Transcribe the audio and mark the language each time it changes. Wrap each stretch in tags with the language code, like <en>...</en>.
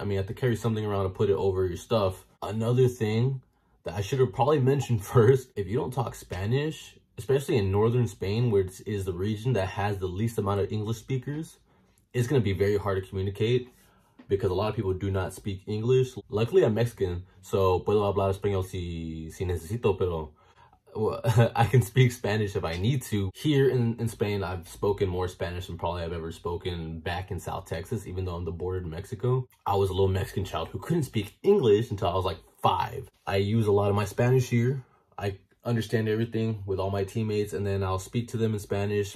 <en>I mean, I have to carry something around to put it over your stuff. Another thing that I should have probably mentioned first, if you don't talk Spanish, especially in northern Spain, which is the region that has the least amount of English speakers, it's going to be very hard to communicate because a lot of people do not speak English. Luckily, I'm Mexican, so</en> <es>puedo hablar español si necesito, pero</es> <en>I can speak Spanish if I need to. Here in Spain, I've spoken more Spanish than probably I've ever spoken back in South Texas, even though I'm the border to Mexico. I was a little Mexican child who couldn't speak English until I was like 5. I use a lot of my Spanish here. I understand everything with all my teammates, and then I'll speak to them in Spanish.</en>